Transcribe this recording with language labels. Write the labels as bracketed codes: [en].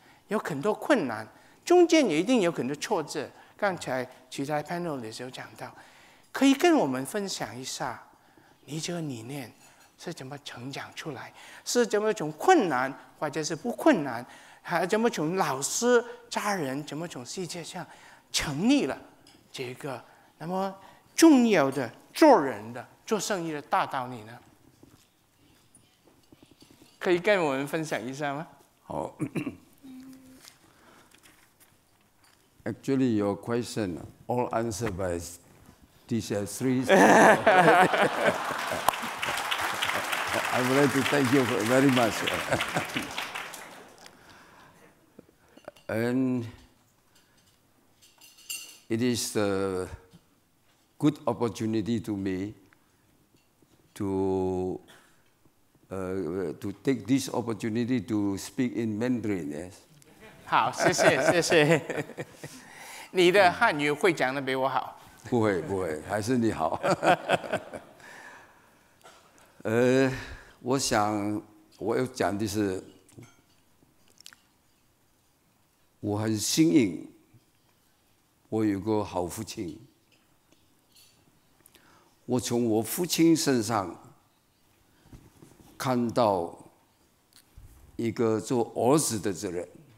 [zh] 有很多困难，中间也一定有很多挫折。刚才其他 panelists 有讲到，可以跟我们分享一下你这个理念是怎么成长出来，是怎么从困难或者是不困难，还怎么从老师、家人怎么从世界上成立了这个那么重要的做人的、做生意的大道理呢？可以跟我们分享一下吗？好。 [en] Actually, your question all answered by these three. I would like to thank you very much. And it is a good opportunity to me to take this opportunity to speak in Mandarin. Yes. [zh] 好，谢谢，谢谢。你的汉语会讲的比我好。不会，不会，还是你好。 我想我要讲的是，我很幸运，我有个好父亲。我从我父亲身上看到一个做儿子的责任。